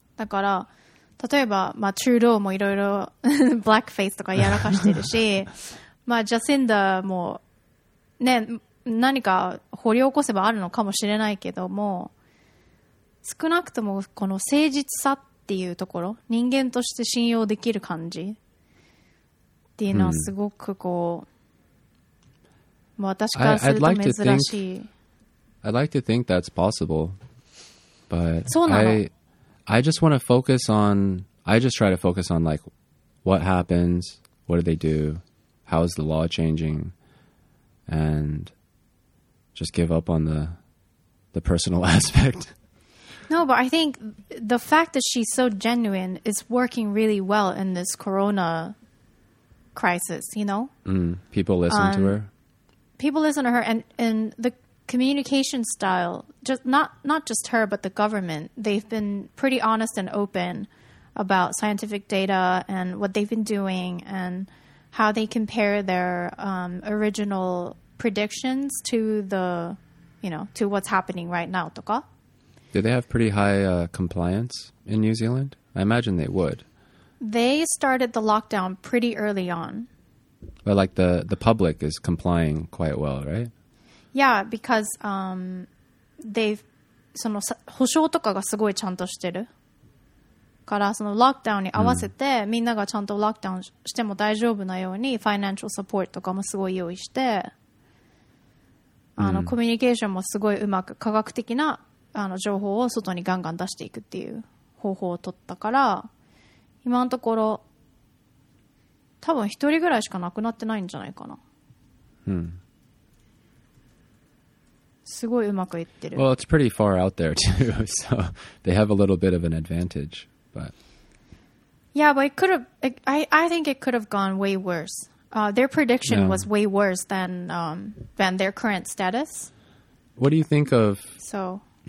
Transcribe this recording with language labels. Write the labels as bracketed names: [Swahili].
[Japanese] だから、例えば、まあ、トゥルドーもいろいろブラックフェイスとかやらかしてるし、まあ、ジャセンダーも、ね、何か掘り起こせばあるのかもしれないけども、少なくともこの誠実さっていうところ、人間として信用できる感じっていうのはすごくこう、まあ、私からすると珍しい。 [English] I'd like to think that's possible, but [Japanese] そうなの? [English] I just want to focus on, I just try to focus on like, what happens, what do they do? How is the law changing? And just give up on the personal aspect. No, but I think the fact that she's so genuine is working really well in this corona crisis, you know? People listen to her? People listen to her and the communication style, just not just her, but the government, they've been pretty honest and open about scientific data and what they've been doing and how they compare their original predictions to the, you know, to what's happening right now. Do they have pretty high compliance in New Zealand? I imagine they would. They started the lockdown pretty early on. But like the public is complying quite well, right? Yeah, because they've [Japanese] その保証とかがすごいちゃんとしてるからそのロックダウンに合わせてみんながちゃんとロックダウンしても大丈夫なようにファイナンシャルサポートとかもすごい用意してコミュニケーションもすごいうまく科学的な情報を外にガンガン出していくっていう方法を取ったから今のところ多分一人ぐらいしか亡くなってないんじゃないかな。すごいうまくいってる。 [English] Well, it's pretty far out there too, so they have a little bit of an advantage. But yeah, but it could have. I think it could have gone way worse. Their prediction was way worse than their current status. What do you think of so